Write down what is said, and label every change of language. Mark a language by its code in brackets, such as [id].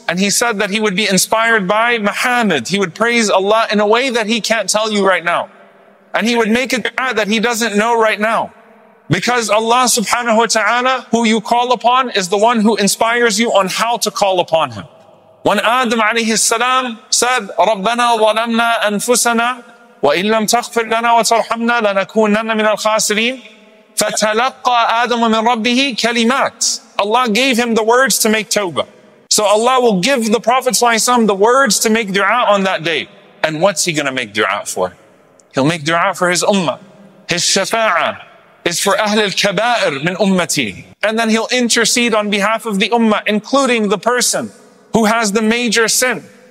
[en] And he said that he would be inspired by Muhammad. He would praise Allah in a way that he can't tell you right now. And he would make a dua that he doesn't know right now. Because Allah subhanahu wa ta'ala, who you call upon, is the one who inspires you on how to call upon him. When Adam alayhi salam said, [ar] رَبَّنَا ظَلَمْنَا أَنفُسَنَا وَإِنْ لَمْ تَغْفِرْ لَنَا وَتَرْحَمْنَا لَنَكُونَنَّ مِنَ الْخَاسِرِينَ فَتَلَقَّى آدَمُ مِنْ رَبِّهِ كَلِمَاتٍ. [en] Allah gave him the words to make tawbah. So Allah will give the Prophet ﷺ the words to make dua on that day. And what's he going to make dua for? He'll make dua for his ummah. His shafa'ah is for [ar] أهل الكبائر من أمتي. [en] And then he'll intercede on behalf of the ummah, including the person who has the major sin.